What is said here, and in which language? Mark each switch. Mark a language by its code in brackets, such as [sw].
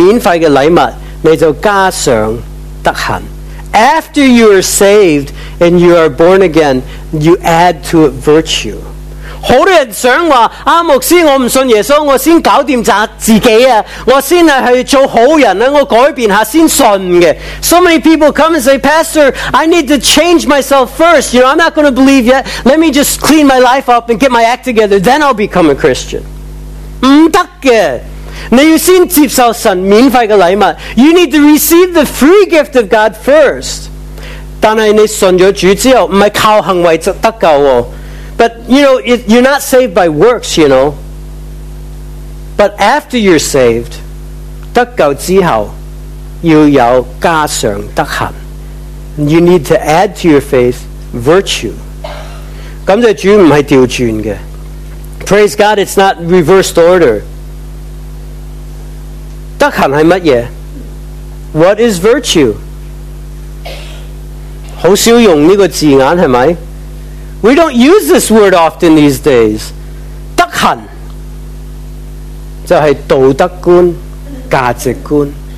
[zh] 得救之后免费的礼物你就加上德行. [en] After you are saved and you are born again, you add to it virtue. [zh] 很多人想说,牧师,我不信耶稣,我先搞定自己,我先去做好人,我改变一下,先信的. [en] So many people come and say, Pastor, I need to change myself first. You know, I'm not going to believe yet. Let me just clean my life up and get my act together. Then I'll become a Christian. [zh] 不行的. 你要先接受神免费的礼物. [en] You need to receive the free gift of God first. [zh] 但是你信了主之后,不是靠行为得救哦. [en] But you know, you're not saved by works, you know. But after you're saved, [zh] 得救之后, 要有加上德行. [en] You need to add to your faith virtue. [zh] 感谢主不是调转的. [en] Praise God, it's not reversed order. [zh] 德行是什么? [en] What is virtue? [zh] 很少用这个字眼,是吗? [en] We don't use this word often these days. [zh] 德行, 就是道德观, 价值观.